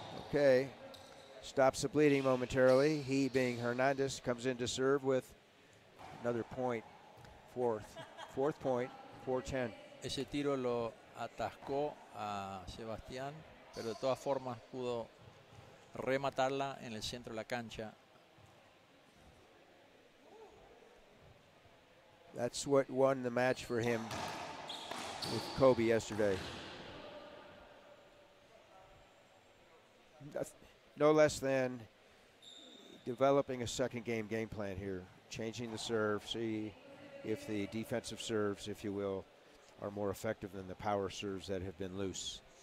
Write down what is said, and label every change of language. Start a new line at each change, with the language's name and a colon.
English: Okay. Stops the bleeding momentarily. He, being Hernandez, comes in to serve with another point. Fourth point, 4-10.
Spanish: Ese tiro lo atascó a Sebastián, pero de todas formas pudo rematarla en el centro de la cancha.
English: That's what won the match for him with Kobe yesterday. No less than developing a second game plan here, changing the serve, see if the defensive serves, if you will, are more effective than the power serves that have been loose.